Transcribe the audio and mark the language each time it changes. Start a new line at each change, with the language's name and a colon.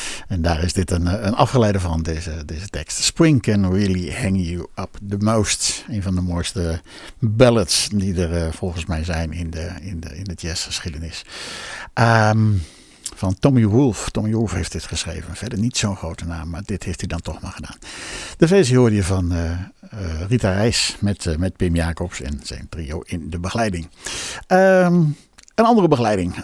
Dutch: En daar is dit een afgeleide van, deze tekst.
English: Spring can really hang you up the most.
Dutch: Een van de mooiste ballads die er volgens mij zijn in de jazzgeschiedenis. Van Tommy Wolfe. Tommy Wolfe heeft dit geschreven. Verder niet zo'n grote naam, maar dit heeft hij dan toch maar gedaan. De versie hoorde je van Rita Reis met Pim Jacobs en zijn trio in de begeleiding. Een andere begeleiding.